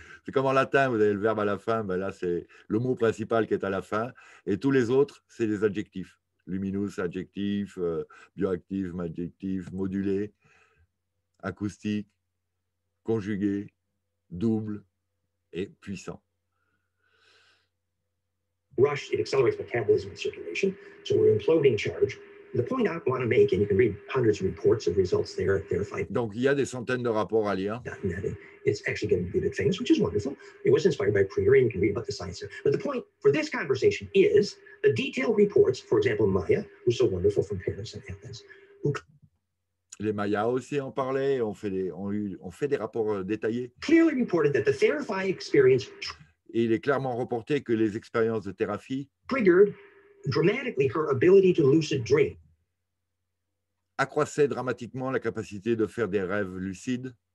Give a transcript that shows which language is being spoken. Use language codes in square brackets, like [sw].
[fr] C'est comme en latin, vous avez le verbe à la fin, ben là c'est le mot principal qui est à la fin et tous les autres, c'est des adjectifs. Luminous, adjectif, bioactif, adjectif, modulé, acoustique, conjugué, double et puissant. [en] Rush, it accelerates metabolism and circulation, so we're imploding charge. The point I want to make, and you can read hundreds of reports of results there, verified. [fr] Donc il y a des centaines de rapports à lire. [en] It's actually going to be a bit famous, which is wonderful. It was inspired by Priory, and you can read about the science there. But the point for this conversation is the detailed reports, for example, Maya, who's so wonderful from Paris and Athens. [fr] Les Mayas aussi en parlaient, on fait des rapports détaillés. [en] Clearly reported that the Therapy experience. [fr] Et il est clairement reporté que les expériences de Therapy [en] triggered dramatically her ability to lucid dream. [fr] Accroissait dramatiquement la capacité de faire des rêves lucides.